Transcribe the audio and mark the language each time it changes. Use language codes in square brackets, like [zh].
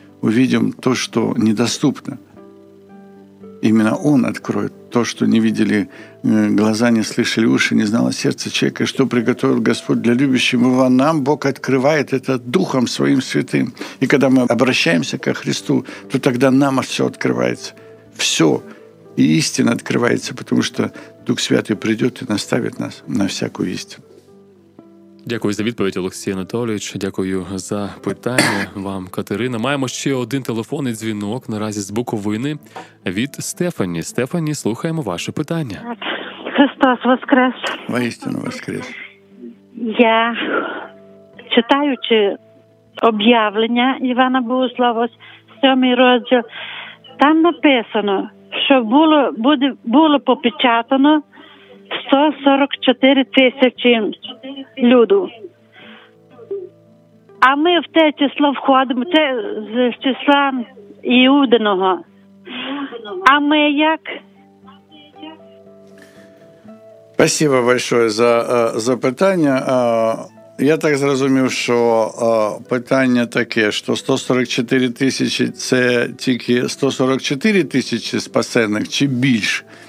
[ru] Увидим то, что недоступно. Именно Он откроет то, что не видели глаза, не слышали уши, не знало сердце человека, что приготовил Господь для любящих Его. Нам Бог открывает это Духом Своим Святым. И когда мы обращаемся ко Христу, то тогда нам все открывается. Все. И истина открывается, потому что Дух Святий придет и наставит нас на всякую истину. [uk] Дякую за відповідь, Олексій Анатолійович. Дякую за питання вам, Катерина. Маємо ще один телефонний дзвінок наразі з Буковини від Стефані. Стефані, слухаємо ваше питання. Христос воскрес. Воістину воскрес. Я, читаючи об'явлення Івана Богослова, 7 розділ, там написано, що було попечатано 144 тисячі люду. А ми в те число входимо, це з числа Іудиного. А ми як? [ru] Спасибо большое [uk] за запитання. Я так зрозумів, що питання таке, що 144 тисячі – це тільки 144 тисячі спасених чи більш?